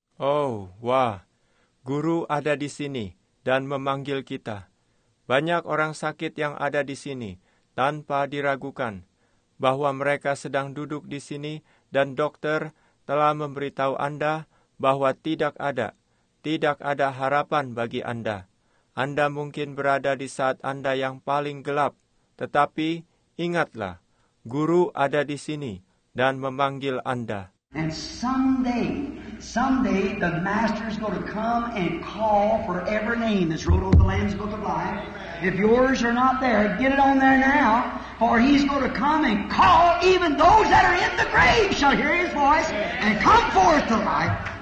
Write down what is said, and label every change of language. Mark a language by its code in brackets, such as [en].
[id] Oh, wah, guru ada di sini dan memanggil kita. Banyak orang sakit yang ada di sini tanpa diragukan bahwa mereka sedang duduk di sini dan dokter telah memberitahu Anda bahwa tidak ada harapan bagi Anda. Anda mungkin berada di saat Anda yang paling gelap, tetapi ingatlah, guru ada di sini dan memanggil Anda. [en] And someday the master is going to come and call for every name that's wrote on the Lamb's Book of Life. If yours are not there, get it on there now, for he's going to come and call even those that are in the grave shall hear his voice and come forth to life.